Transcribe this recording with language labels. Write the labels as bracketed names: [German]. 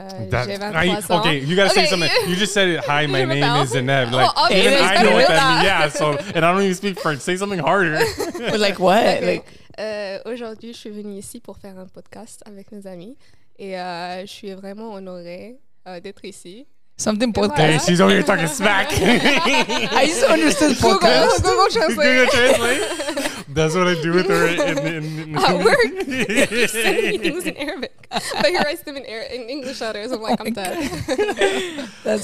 [English] Okay, you gotta say something. You just said, hi, my name is Zineb. Like, well, even I know what that means. That. Yeah, so, and I don't even speak French. Say something harder. But like what? Okay. Like, [French] aujourd'hui, je suis venue ici pour faire un podcast avec mes amis. Et je suis vraiment honorée d'être ici. [English] Something podcast. Hey, she's over here talking smack. I used to understand podcast. Google Translate. That's what I do with her. In at work. You're sending me things in Arabic. But here I send them in English letters. I'm like, I'm dead. That's